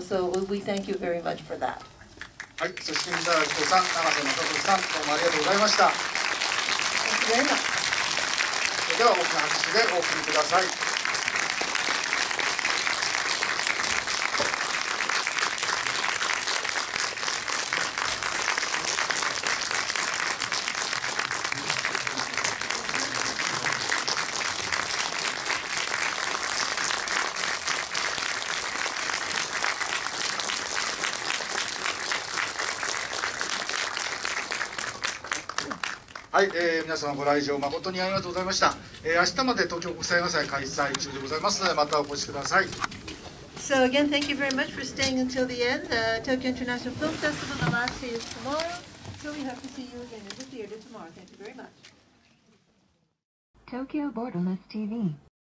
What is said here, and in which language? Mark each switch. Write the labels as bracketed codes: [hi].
[en] So we thank you very much for that. [ja] はい、そして三田明子さん、永瀬正人さん、どうもありがとうございました。では大きな拍手でお送りください。はい、皆様ご来場誠にありがとうございました。明日まで東京国際映画祭開催中でございますので、またお越しください。 [en] So again, thank you very much for staying until the end. The Tokyo International Film Festival, the last day is tomorrow. So we hope to see you again in the theater tomorrow. Thank you very much. Tokyo Borderless TV